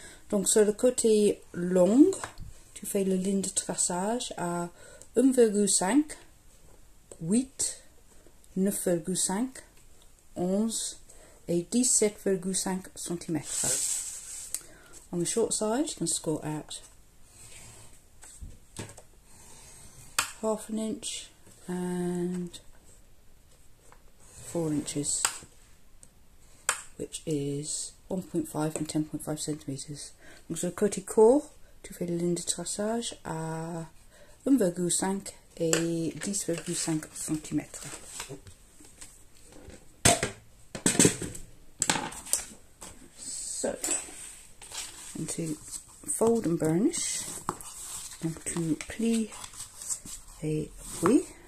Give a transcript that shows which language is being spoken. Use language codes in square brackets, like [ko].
[fr] Donc, sur le côté long, tu fais la ligne de traçage à 1.5, 8, 9.5, 11 et 17.5 centimètres. [en] On the short side, you can score at 1/2 inch and 4 inches, which is 1.5 and 10.5 centimètres. [fr] Donc sur le côté court, tu fais la ligne de traçage à 1.5 et 10.5 centimètres. [en] So, and to fold and burnish, and to plie a buis.